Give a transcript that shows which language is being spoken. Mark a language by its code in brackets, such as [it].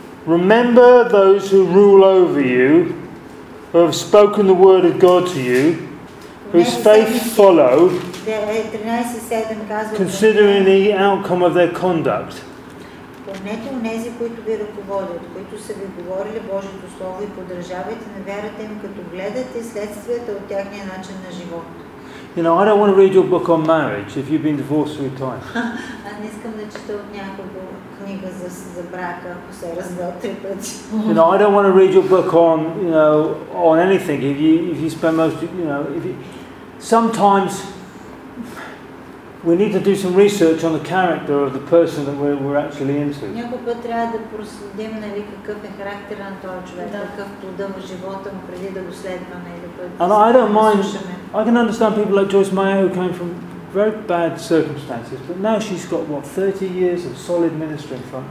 [en] Remember those who rule over you, who have spoken the word of God to you, whose faith follow, considering the outcome of their conduct. [bg] Помнете онези, които ви ръководят, които са ви говорили Божието Слово и поддържавайте на вярата им, като гледате следствията от тяхния начин на живот. [en] You know, I don't want to read your book on marriage if you've been divorced three times. [bg] А не искам да чета от някого книга за брака, ако се развел три пъти. [en] You know, I don't want to read your book on, you know, on anything if you spend most, you know, if you... Sometimes we need to do some research on the character of the person that we're actually into. [bg] Някой път трябва да проследим, нали, какъв е характера на този човек, какъв плода в живота му преди да го следваме или път. [en] And I don't mind. I can understand people like Joyce Meyer who came from very bad circumstances, but now she's got what 30 years of solid ministry in front of